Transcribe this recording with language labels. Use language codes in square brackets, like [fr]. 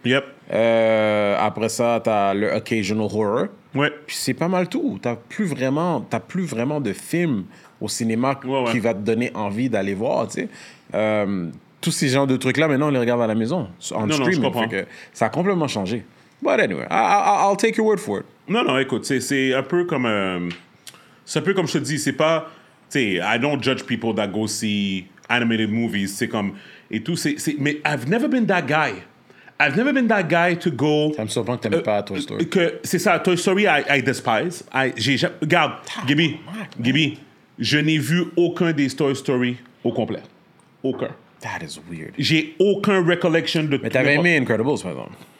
[en] Yep. [fr] Après ça, t'as le [en] occasional horror. [fr] Ouais. Puis c'est pas mal tout. T'as plus vraiment de films au cinéma qui va te donner envie d'aller voir, tu sais. Tous ces genres de trucs-là, maintenant, on les regarde à la maison, en streaming. Non, je comprends. Ça a complètement changé. [en] But anyway, I'll take your word for it. [fr] Non, non, écoute, c'est un peu comme... c'est un peu comme je te dis, c'est pas... Tu sais, [en] I don't judge people that go see animated movies, [fr] c'est comme... Et tout, c'est... Mais [en] I've never been that guy. I've never been that guy to go... [fr] Ça me surprend que t'aimes pas Toy Story. Que, c'est ça, Toy Story, [en] I despise. [fr] Regarde, Gibby, Gibby, je n'ai vu aucun des Toy Story au complet. Aucun. [en] That is weird. [fr] J'ai aucun recollection de... Mais t'avais aimé Incredibles, par exemple.